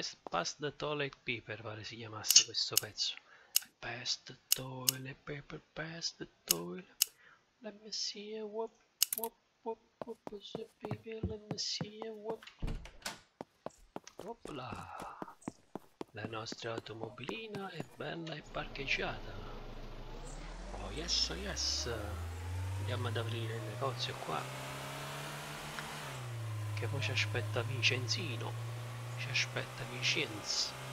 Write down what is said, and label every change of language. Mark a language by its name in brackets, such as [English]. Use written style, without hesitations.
[English] Pass the toilet paper, [Italian] pare si chiamasse questo pezzo. [English] Pass the toilet paper, pass the toilet. Let me see a whoop, whoop, whoop, whoop, so baby, let me see a whoop. Opla! [Italian] La nostra automobilina è bella e parcheggiata. [English] Oh yes, yes! [Italian] Andiamo ad aprire il negozio qua. Che poi ci aspetta Vincenzino. Ci aspetta Vincenzo.